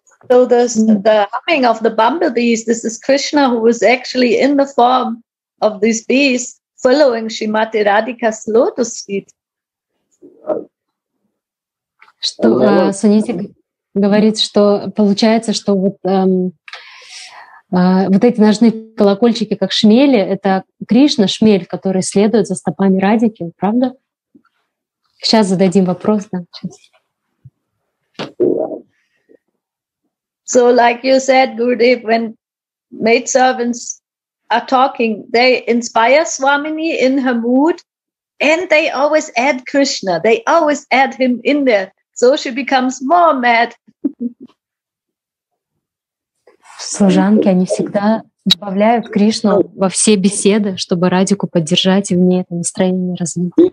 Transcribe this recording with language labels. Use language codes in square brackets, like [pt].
[en] So the humming of the bumblebees, this is Krishna who was actually in the form of these bees following Shrimati Radhika's lotus feet. [ru] Что Санити говорит, что получается, что вот, вот эти ножные колокольчики, как шмели, это Кришна, шмель, который следует за стопами Радики, правда? Сейчас зададим вопрос, да, сейчас. [en] So, like you said, Gurudev, when maidservants are talking, they inspire Swamini in her mood, and they always add Krishna. They always add him in there, so she becomes more mad. [ru] Служанки, они всегда добавляют Кришну во все беседы, чтобы Радику поддержать и в ней это настроение развить.